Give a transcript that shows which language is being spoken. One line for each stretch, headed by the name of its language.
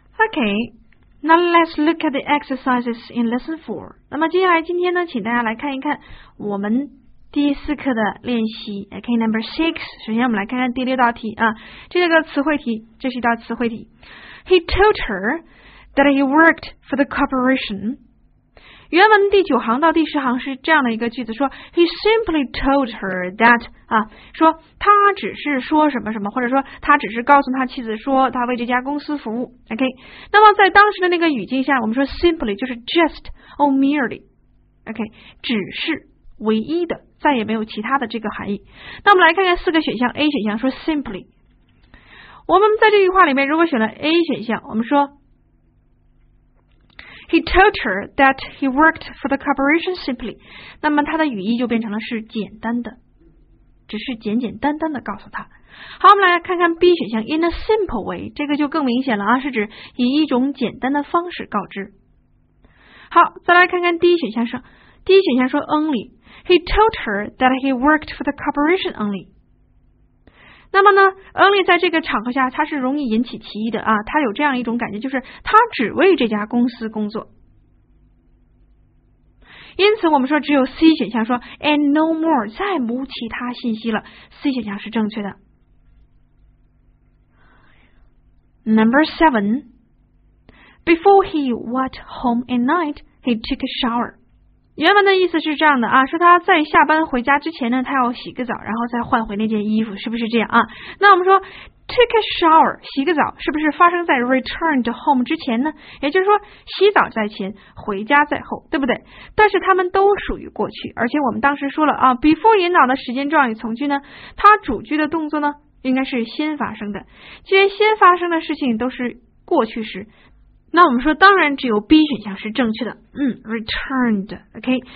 English: Okay, now let's look at the exercises in lesson 4.
Chinese: 那么接下来今天呢，请大家来看一看我们第四课的练习。
English: Okay, number 6.
Chinese: 首先我们来看看第六道题啊，这是个词汇题，这是一道词汇题。
English: He told her that he worked for the corporation.
Chinese: 原文第九行到第十行是这样的一个句子，说
English: He simply told her that
Chinese: 啊，说他只是说什么什么，或者说他只是告诉他妻子说他为这家公司服务。 OK， 那么在当时的那个语境下，我们说 simply 就是
English: just or merely。
Chinese: OK， 只是唯一的，再也没有其他的这个含义。那我们来看看四个选项 ，A 选项说 simply。我们在这句话里面，如果选了 A 选项，我们说
English: He told her that he worked for the corporation simply，
Chinese: 那么它的语义就变成了是简单的，只是简简单单的告诉他。好，我们来看看 B 选项 in a simple way， 这个就更明显了啊，是指以一种简单的方式告知。好，再来看看 D 选项上，第一选项说 only，
English: He told her that he worked for the corporation only。
Chinese: 那么呢 ，only 在这个场合下，它是容易引起歧义的啊。它有这样一种感觉，就是他只为这家公司工作。因此，我们说只有 C 选项说 and no more， 再无其他信息了。 C 选项是正确的。
English: Number 7 before he went home at night, he took a shower。
Chinese: 原文的意思是这样的啊，说他在下班回家之前呢，他要洗个澡，然后再换回那件衣服，是不是这样啊？那我们说 take a shower， 洗个澡，是不是发生在 return to home 之前呢？也就是说洗澡在前，回家在后，对不对？但是他们都属于过去，而且我们当时说了啊， before 引导的时间状语从句呢，它主句的动作呢应该是先发生的，既然先发生的事情都是过去时，那我们说当然只有 B 选项是正确的，returned， OK。